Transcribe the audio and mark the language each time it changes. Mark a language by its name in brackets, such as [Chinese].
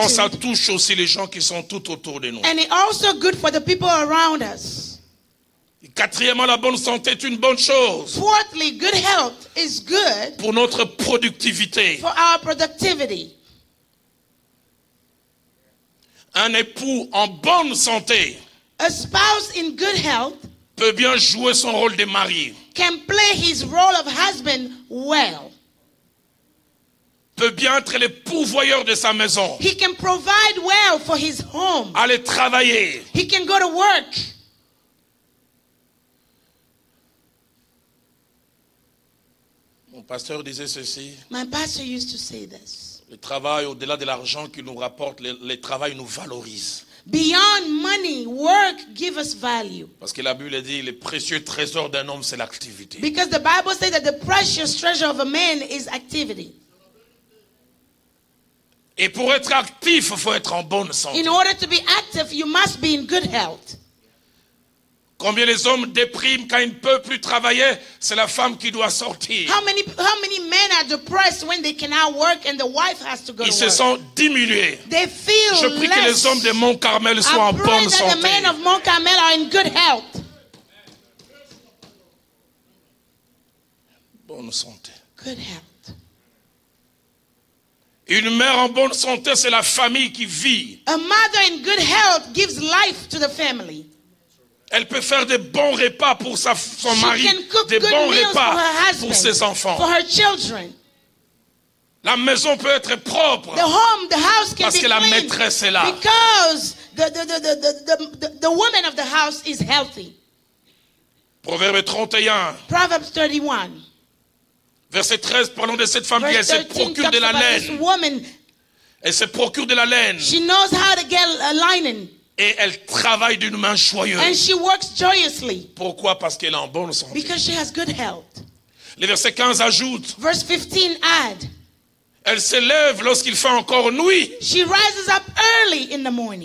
[French] Quand ça touche aussi les gens qui sont tout autour de nous. [English] And it's also good for the people around us. [French] Quatrièmement, la bonne santé est une bonne chose. [English] Fourthly, good health is good [French] pour notre productivité. [English] For our productivity. [French] Un époux en bonne santé. [English] A spouse in good health [French] peut bien jouer son rôle de mari. [English] Can play his role of husband well. [French] Peut bien être le pourvoyeur de sa maison. [English] He can provide well for his home. [French] Aller travailler. [English] He can go to work. [French] Mon pasteur disait ceci. [English] My pastor used to say this. [French] Le travail, au-delà de l'argent qu'il nous rapporte, le travail nous valorise. [English] Beyond money, work gives us value. [French] Parce que la Bible dit, le précieux trésor d'un homme, c'est l'activité. [English] Because the Bible says that the precious treasure of a man is activity. [French] Et pour être actif, il faut être en bonne santé. [English] In order to be active, you must be in good health. [French] Combien les hommes dépriment quand ils ne peuvent plus travailler, c'est la femme qui doit sortir. [English] How many men are depressed when they cannot work and the wife has to go to [French] ils [English] work? [French] Ils se sentent diminués. [English] They feel [French] je prie [English] less. [French] Que les hommes de Mont Carmel soient en bonne santé. [English] I pray that the men of Mont Carmel are in good health. [French] Bonne santé. [English] Good health. [French] Une mère en bonne santé, c'est la famille qui vit. [English] A mother in good health gives life to the family. [French] Elle peut faire des bons repas pour son [English] She [French] mari, [English] can cook [French] des [English] good [French] bons [English] meals [French] repas [English] for her husband, [French] pour ses enfants. [English] For her children. [French] La maison peut être propre. [English] The home, the house can [French] parce [English] be [French] que [English] clean [French] la maîtresse est là. [English] Because the woman of the house is healthy. [French] Proverbe 31. [English] Proverbs 31. [French] Verset 13, parlons de cette femme qui elle se procure de la laine. [English] Woman, [French] elle se procure de la laine. [English] She knows how to get linen. [French] Et elle travaille d'une main joyeuse. [English] And she works joyously. [French] Pourquoi? Parce qu'elle est en bonne santé. [English] Because she has good health. [French] Le verset 15 ajoute. [English] Verse 15 add. [French] Elle se lève lorsqu'il fait encore nuit. [English] She rises up early in the morning.